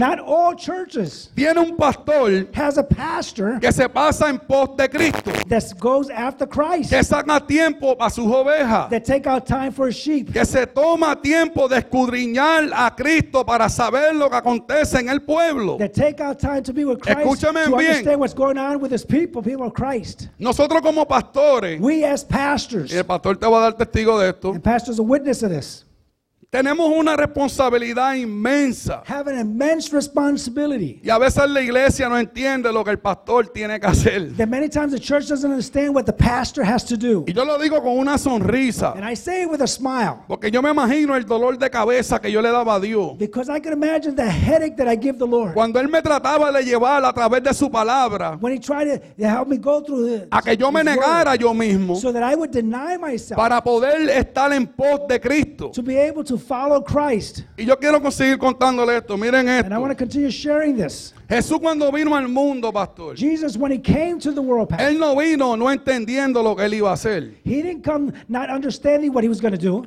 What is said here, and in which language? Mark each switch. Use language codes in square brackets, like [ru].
[en] not all churches [es] tiene un pastor, [en] has a pastor [es] que se pasa en pos de Cristo, [en] that goes after Christ, [es] que saca tiempo para sus ovejas, [en] that take out time for his sheep, [es] que se toma tiempo de escudriñar a Cristo para saber lo que acontece en el pueblo. [en] That take out time to be with Christ, [es] escúchame [en] to [es] bien, [en] understand what's going on with his people, people of Christ. [es] Nosotros como pastores, [en] we as pastors, [es] y el pastor te va a dar testigo de esto, [en] and pastor's a witness of this, [es] tenemos una responsabilidad inmensa. [en] Have an immense responsibility. [es] Y a veces la iglesia no entiende lo que el pastor tiene que hacer. [en] That many times the church doesn't understand what the pastor has to do. [es] Y yo lo digo con una sonrisa. [en] And I say it with a smile. [es] Porque yo me imagino el dolor de cabeza que yo le daba a Dios. [en] Because I can imagine the headache that I give the Lord. [es] Cuando Él me trataba de llevar a través de su palabra. [en] When He tried to help me go through the, [es] a que yo me negara yo mismo. [en] So that I would deny myself. [es] Para poder estar en pos de Cristo. [en] To be able to follow Christ. [es] Y yo quiero seguir contándole esto. Miren esto. [en] And I want to continue sharing this. [es] Jesús cuando vino al mundo, pastor. [en] Jesus when he came to the world, pastor. [es] Él no vino no entendiendo lo que él iba a hacer. [en] He didn't come not understanding what he was going to do.